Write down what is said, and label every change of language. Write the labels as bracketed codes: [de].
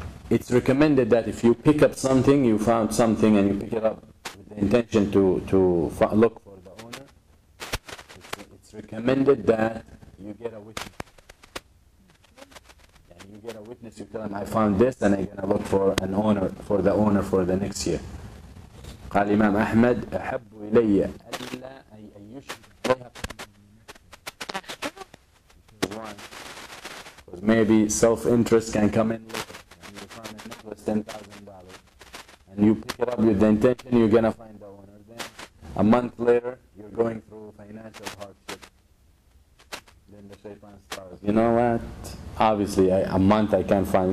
[en] It's recommended that if you pick up something, you found something, and you pick it up with the intention to look for the owner, it's recommended that you get a witness. And you get a witness, you tell him, I found this, and I'm going to look for an owner, for the owner for the next year. [ar] قال إمام أحمد أحب إلي ألا أي أن يشهد عليها. [en] Maybe self-interest can come in later. And you find a necklace, $10,000. And you pick it up with the intention you're going to find the owner. Then a month later, you're going through financial hardship. Then the shaitan starts. You know what? Obviously, a month I can't find.